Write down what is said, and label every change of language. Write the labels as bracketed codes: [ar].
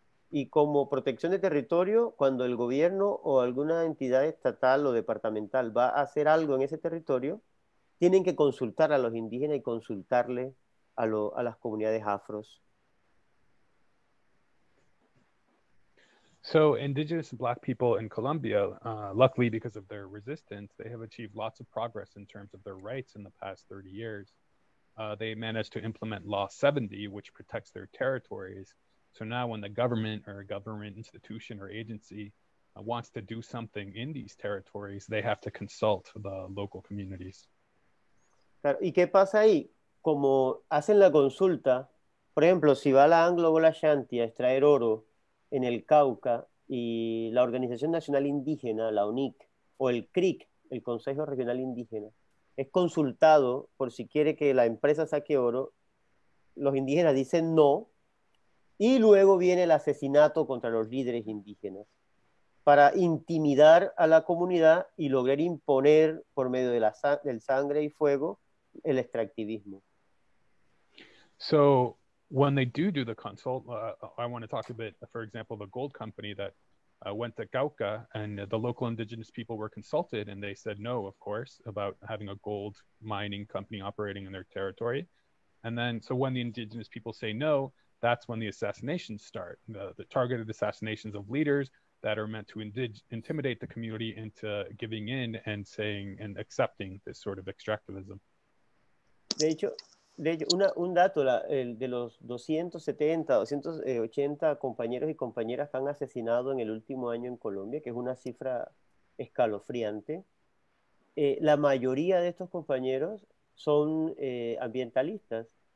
[es] Y como protección de territorio, cuando el gobierno o alguna entidad estatal o departamental va a hacer algo en ese territorio, tienen que consultar a los indígenas y consultarle a las comunidades afros. [en] So indigenous black people in Colombia, luckily because of their resistance, they have achieved lots of progress in terms of their rights in the past 30 years. They managed to implement Law 70, which protects their territories. So now when the government or a government institution or agency wants to do something in these territories, they have to consult the local communities. [es] Claro. ¿Y qué pasa ahí? Como hacen la consulta, por ejemplo, si va la Anglo o la Shanti a extraer oro en el Cauca y la Organización Nacional Indígena, la UNIC, o el CRIC, el Consejo Regional Indígena, es consultado por si quiere que la empresa saque oro, los indígenas dicen no, y luego viene el asesinato contra los líderes indígenas para intimidar a la comunidad y lograr imponer por medio de la del sangre y fuego el extractivismo. [en] So when they do the consult, I want to talk a bit, for example, the gold company that went to Cauca, and the local indigenous people were consulted, and they said no, of course, about having a gold mining company operating in their territory. And then, so when the indigenous people say no, that's when the assassinations start. The targeted assassinations of leaders that are meant to intimidate the community into giving in and saying and accepting this sort of extractivism. [es] De hecho, un dato, de los 270, 280 compañeros y compañeras que han asesinado en el último año en Colombia, que es una cifra escalofriante, la mayoría de estos compañeros son ambientalistas.